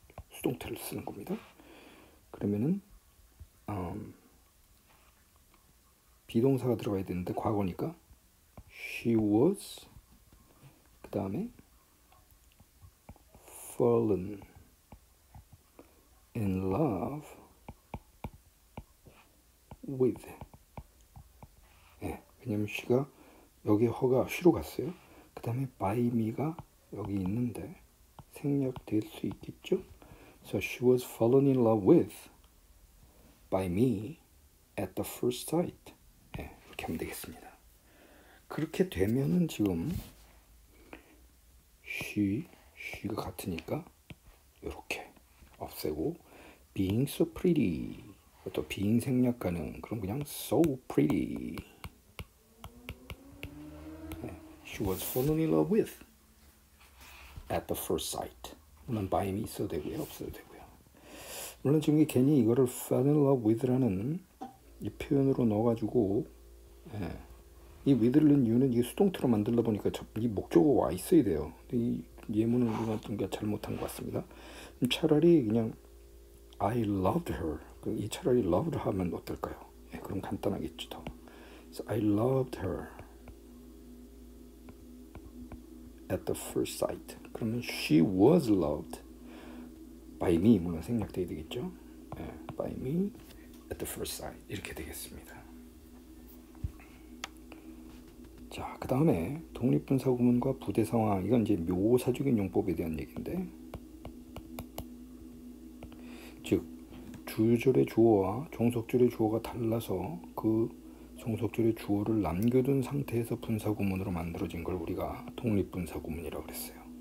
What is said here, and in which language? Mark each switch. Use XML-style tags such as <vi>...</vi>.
<ko>수동태를 쓰는 겁니다. 그러면은 비동사가 들어가야 되는데 과거니까</ko> <en>She was</en> <ko>그 다음에</ko> <en>fallen in love with</en> <ko>예, 왜냐면 she가 여기 허가 she로 갔어요. 그 다음에 by me가 여기 있는데 생략될 수 있겠죠?</ko> <en>So she was fallen in love with by me at the first sight.</en> <ko>예, 이렇게 하면 되겠습니다. 그렇게 되면은 지금 she가 같으니까 이렇게 없애고</ko> <en>Being so pretty.</en> <ko>또 being 생략 가능. 그럼 그냥 so pretty.</ko> <en>She was falling in love with at the first sight.</en> <ko>물론 by me 있어도 되고요. 없어도 되고요. 물론 지금 괜히 이거를</ko> <en>fell in love with</en> <ko>라는 이 표현으로 넣어가지고 예. 이 with를 넣은 이유는 이게 수동태로 만들다 보니까 이 목적어 와 있어야 돼요. 이 예문을 넣은 게 잘못한 것 같습니다. 차라리 그냥</ko> <en>I loved her.</en> <ko>이 차라리 loved 하면 어떨까요? 예, 그럼 간단하겠지 더.</ko> <en>So I loved her at the first sight.</en> <ko>그러면</ko> <en>she was loved by me.</en> <ko>물론 생략되어야 되겠죠? 예,</ko> <en>by me at the first sight.</en> <ko>이렇게 되겠습니다. 자, 그 다음에 독립분사구문과 부대상황. 이건 이제 묘사적인 용법에 대한 얘기인데 즉 주줄의 주어와 종속줄의 주어가 달라서 그 종속줄의 주어를 남겨둔 상태에서 분사구문으로 만들어진 걸 우리가 독립분사구문이라고 그랬어요.</ko>